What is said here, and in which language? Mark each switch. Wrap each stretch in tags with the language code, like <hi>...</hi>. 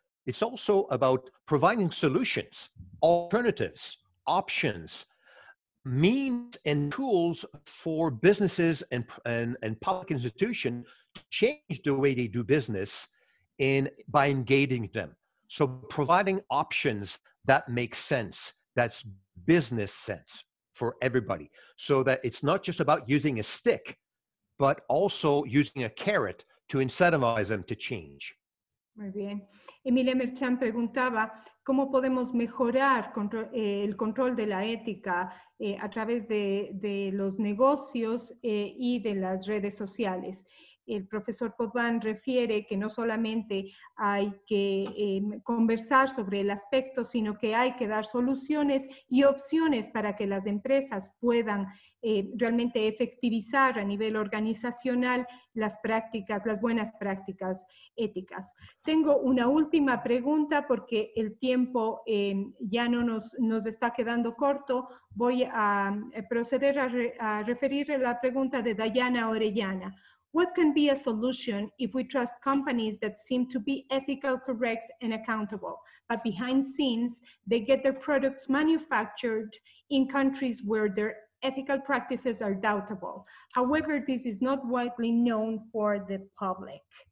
<en>It's also about providing solutions, alternatives, options, means and tools for businesses and public institutions to change the way they do business by engaging them. So providing options that make sense, that's business sense for everybody, so that it's not just about using a stick, but also using a carrot to incentivize them to change.</en> <es>Muy bien. Emilia Merchan preguntaba, ¿cómo podemos mejorar el control de la ética a través de los negocios y de las redes sociales? El profesor Potvin refiere que no solamente hay que conversar sobre el aspecto, sino que hay que dar soluciones y opciones para que las empresas puedan realmente efectivizar a nivel organizacional las prácticas, las buenas prácticas éticas. Tengo una última pregunta porque el tiempo ya no nos está quedando corto. Voy a proceder a referir la pregunta de Dayana Orellana.</es> <en>What can be a solution if we trust companies that seem to be ethical, correct, and accountable, but behind scenes, they get their products manufactured in countries where their ethical practices are doubtable? However, this is not widely known for the public.</en>